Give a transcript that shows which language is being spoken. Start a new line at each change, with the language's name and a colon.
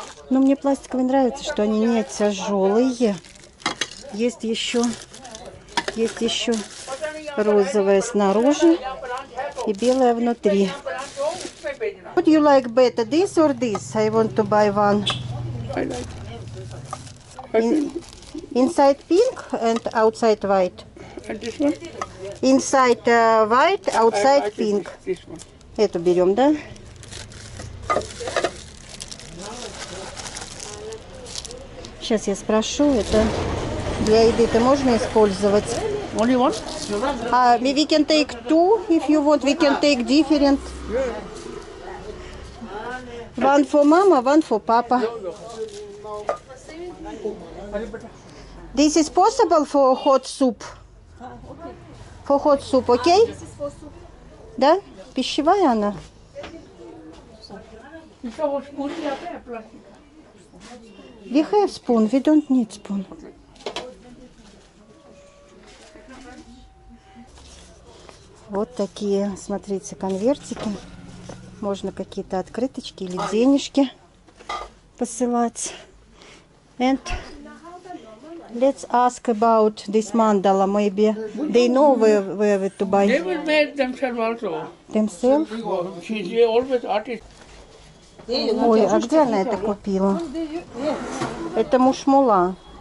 Russian: Но мне пластиковые нравятся, что они не тяжелые. Есть еще розовая снаружи и белая внутри.
English: Would you like better this or this? I want to buy one. Inside pink and outside white. Inside white, outside pink.
Russian: Эту берем, да? Сейчас я спрошу, это для еды это можно использовать?
English: Only one? We can take two, if you want. We can take different. One for mama, one for papa. This is possible for hot soup? For hot soup, okay?
Russian: Да? Пищевая она?
English: We have spoon, we don't need spoon.
Russian: Вот такие, смотрите, конвертики. Можно какие-то открыточки или денежки посылать.
English: And let's ask about this mandala, maybe. They know where to buy. They will make themselves also. Themselves? She's always artist.
Russian: Ой, а где она это купила? Это мушмула.